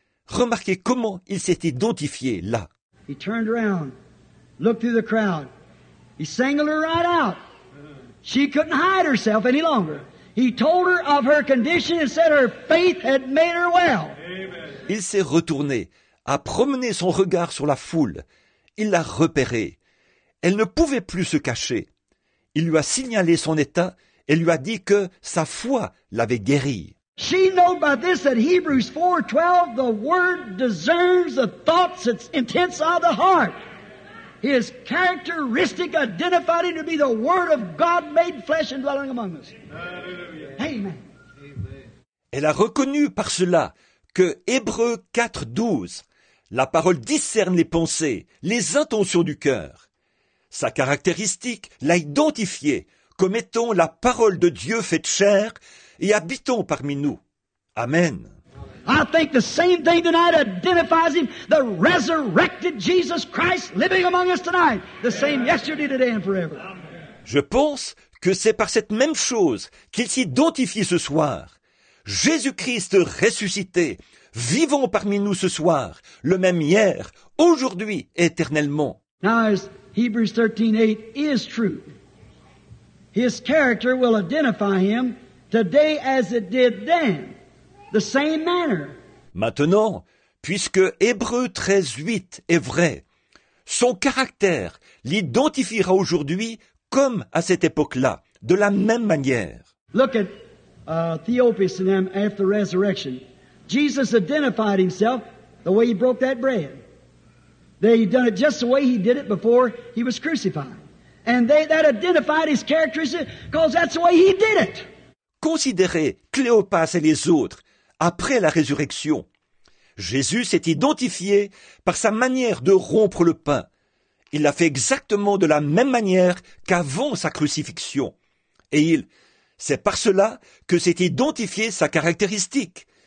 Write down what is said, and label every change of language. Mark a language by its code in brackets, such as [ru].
[fr] Remarquez comment il s'est identifié là. [en] He turned around, looked through the crowd. He singled her right out. She couldn't hide herself any longer. He told her of her condition and said her faith had made her well. [fr] Il s'est retourné, a promené son regard sur la foule. Il l'a repérée. Elle ne pouvait plus se cacher. Il lui a signalé son état et lui a dit que sa foi l'avait guérie. [en] She knew by this that Hebrews 4:12, the word discerns the thoughts, its intents of the heart. His characteristic identified him to be the word of God made flesh and dwelling among us. Amen. [fr] Elle a reconnu par cela que Hébreux 4:12, la parole discerne les pensées, les intentions du cœur. Sa caractéristique l'a identifié comme étant la parole de Dieu faite chair et habitant parmi nous. Amen. [en] I think the same thing tonight identifies him, the resurrected Jesus Christ living among us tonight, the same yesterday, today and forever. [fr] Je pense que c'est par cette même chose qu'il s'identifie ce soir. Jésus-Christ ressuscité, vivant parmi nous ce soir, le même hier, aujourd'hui, éternellement. [en] Now, as Hebrews 13:8 is true, his character will identify him today as it did then. The same manner. [fr] Maintenant, puisque Hébreux 13:8 est vrai, son caractère l'identifiera aujourd'hui comme à cette époque-là, de la même manière. [en] Look at Theophilus and them after the resurrection. Jesus identified himself the way he broke that bread. They done it just the way he did it before he was crucified. And that identified his characteristics because that's the way he did it. [fr] Considérez Cléopas et les autres après la résurrection. Jésus s'est identifié par sa manière de rompre le pain. Il l'a fait exactement de la même manière qu'avant sa crucifixion. Et c'est par cela que s'est identifié sa caractéristique.